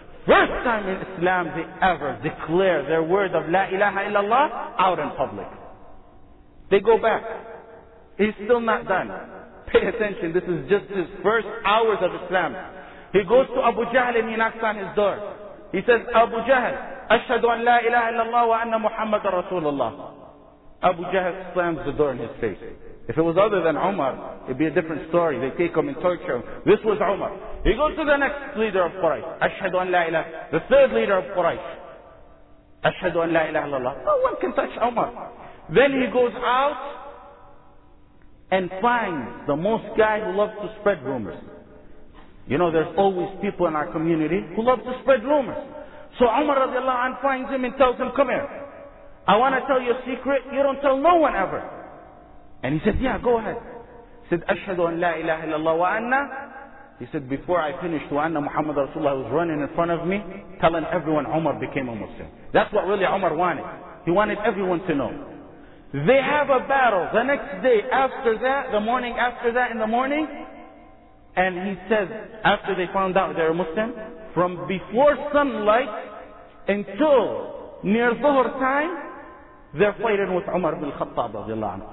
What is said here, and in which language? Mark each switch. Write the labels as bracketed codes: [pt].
[en] First time in Islam they ever declare their word of La ilaha illallah out in public. They go back. He's still not done. Pay attention. This is just his first hours of Islam. He goes to Abu Jahl and he knocks on his door. He says, "Abu Jahl, [ar] أشهد أن لا إله إلا الله وأن محمد رسول الله. [en] Abu Jahl slams the door in his face. If it was other than Umar, it'd be a different story. They take him and torture him. This was Umar. He goes to the next leader of Quraysh. [ar] أشهد أن لا إله. [en] The third leader of Quraysh. [ar] أشهد أن لا إله إلا الله. [en] No one can touch Umar. Then he goes out and finds the most guy who loves to spread rumors. You know, there's always people in our community who love to spread rumors. So Umar radiallahu anhu finds him and tells him, come here. I want to tell you a secret. You don't tell no one ever. And he said, yeah, go ahead. He said, [ar] أشهد أن لا إله إلا الله وأنا. [en] He said, before I finished, [ar] وأنا محمد رسول الله [en] was running in front of me, telling everyone Umar became a Muslim. That's what really Umar wanted. He wanted everyone to know. They have a battle the next day after that, the morning after that in the morning. And he says, after they found out they're Muslim, from before sunlight until near Dhuhr time, they're fighting with Umar bin Khattab radiallahu anhu.